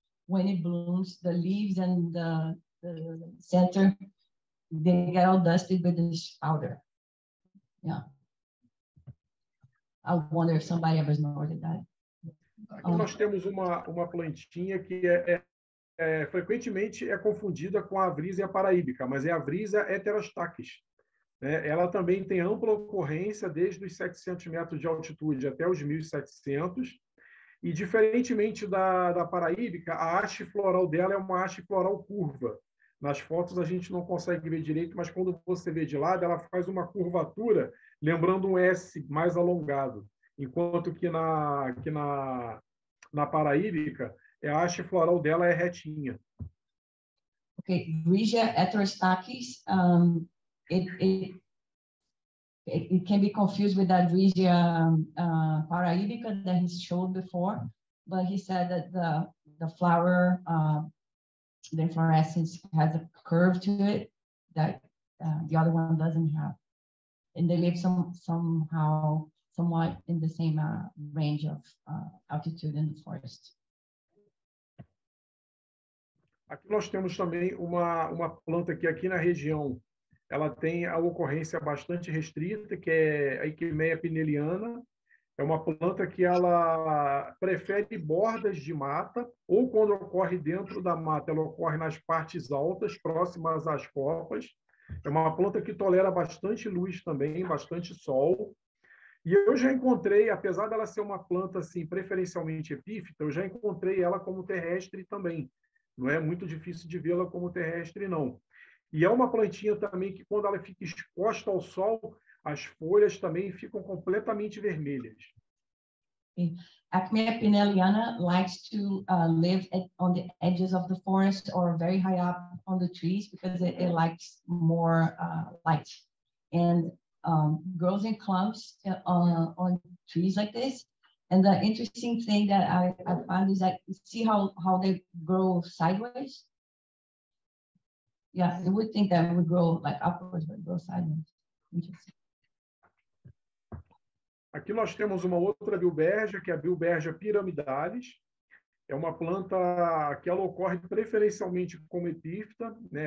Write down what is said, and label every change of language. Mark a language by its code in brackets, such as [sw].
[en] When it blooms, the leaves and the center, they get all dusted with this powder. Yeah. I wonder if somebody ever snorted that. [pt] Aqui nós temos uma plantinha que é frequentemente é confundida com a Vrisia paraíbica, mas é a Vrisia heterostachys. Ela também tem ampla ocorrência desde os 700 metros de altitude até os 1.700. E, diferentemente da paraíbica, a haste floral dela é uma haste floral curva. Nas fotos a gente não consegue ver direito, mas quando você vê de lado, ela faz uma curvatura lembrando um S mais alongado. Enquanto que na paraíbica, a haste floral dela é retinha. [en] Ok, Vrisia heterostachys. It can be confused with that Vrisia paraibica that he showed before, but he said that the flower, the inflorescence has a curve to it that the other one doesn't have. And they live somewhat in the same range of altitude in the forest. [pt] Aqui nós temos também uma planta que aqui na região ela tem a ocorrência bastante restrita, que é a Ichimea pineliana. É uma planta que ela prefere bordas de mata, ou quando ocorre dentro da mata, ela ocorre nas partes altas, próximas às copas. É uma planta que tolera bastante luz também, bastante sol. E eu já encontrei, apesar dela ser uma planta assim, preferencialmente epífita, eu já encontrei ela como terrestre também. Não é muito difícil de vê-la como terrestre, não. E é uma plantinha também que, quando ela fica exposta ao sol, as folhas também ficam completamente vermelhas. [en] Acmea pineliana likes to live on the edges of the forest or very high up on the trees because it likes more light. And grows in clumps on trees like this. And the interesting thing that I found is that see how they grow sideways? Yeah, you would think that it would grow like upwards, but grow sideways. Interesting. [pt] Aqui nós temos uma outra bilbergia, que é a bilbergia piramidalis. É uma planta que ela ocorre preferencialmente como epífita, né?